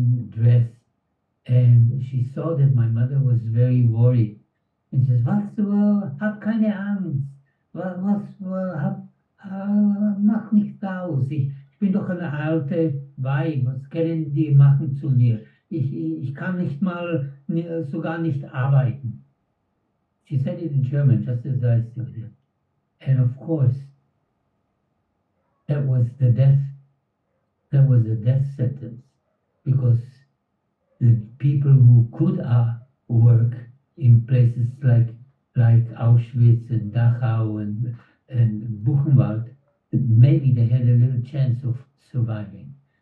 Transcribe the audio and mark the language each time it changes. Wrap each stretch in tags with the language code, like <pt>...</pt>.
<en>dress, and she saw that my mother was very worried, and she says,</en> <de>"Was wohl, hab keine Angst, was wohl, hab, mach nicht aus, ich bin doch eine alte Weib, was können die machen zu mir? Ich kann nicht mal, sogar nicht arbeiten."</de> <en>She said it in German, just as I said it. And of course, that was the death sentence, because the people who could work in places like Auschwitz and Dachau and Buchenwald, maybe they had a little chance of surviving.</en>